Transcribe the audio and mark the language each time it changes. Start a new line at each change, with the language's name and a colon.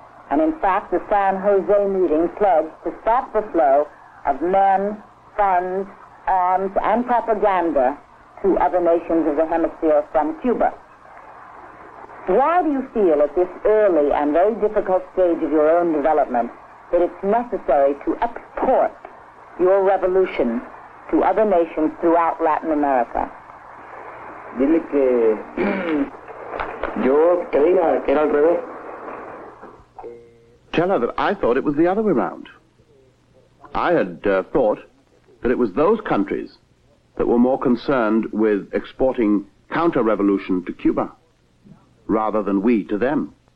English: And in fact, the San Jose meeting pledged to stop the flow of men, funds, arms, and propaganda to other nations of the hemisphere from Cuba. Why do you feel at this early and very difficult stage of your own development that it's necessary to export your revolution to other nations throughout Latin America?
Spanish: Dile que yo creía que era al revés.
English: Tell her that I thought it was the other way around. I had thought that it was those countries that were more concerned with exporting counter-revolution to Cuba rather than we to them.